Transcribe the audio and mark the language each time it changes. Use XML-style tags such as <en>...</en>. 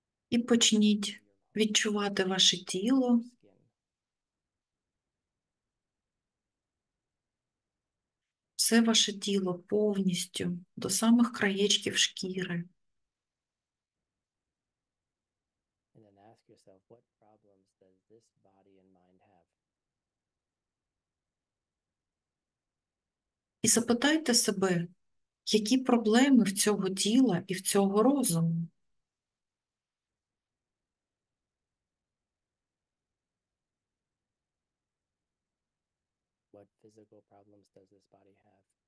<uk>І почніть відчувати ваше тіло. Все ваше тіло повністю, до самих краєчків шкіри.</uk> <en>And then ask yourself, what problems does this body and mind have?</en> <uk>І запитайте себе, які проблеми в цього тіла і в цього розуму.</uk> <en>What physical problems does this body have?</en>